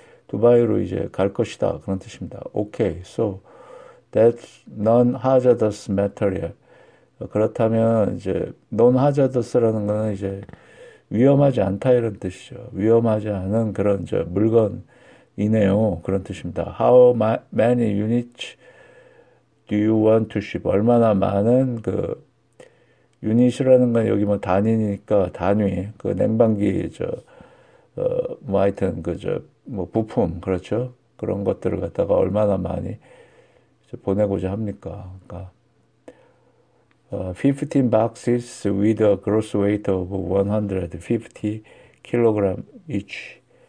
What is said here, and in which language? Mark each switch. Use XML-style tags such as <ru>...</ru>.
<ko>두바이로 이제 갈 것이다. 그런 뜻입니다.</ko> <en>Okay, so that's non-hazardous material.</en> <ko>그렇다면 이제 non-hazardous라는 거는 이제 위험하지 않다 이런 뜻이죠. 위험하지 않은 그런 이제 물건이네요. 그런 뜻입니다.</ko> <en>How many units do you want to ship?</en> <ko>얼마나 많은 그 유닛이라는 건 여기 뭐 단위니까 단위, 그 냉방기, 저, 뭐 하여튼, 그, 저, 뭐 부품, 그렇죠? 그런 것들을 갖다가 얼마나 많이 보내고자 합니까? 그러니까,</ko> <en>15 boxes with a gross weight of 150 kilogram each.</en>